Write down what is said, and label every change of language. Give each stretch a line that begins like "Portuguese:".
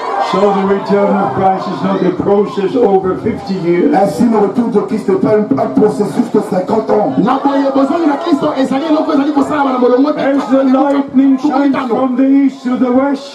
English: So the return of Christ is not a process over 50 years.
French: Ainsi le retour de Christ n'est pas un processus de 50 ans.
English: As the lightning shines from the east to the west,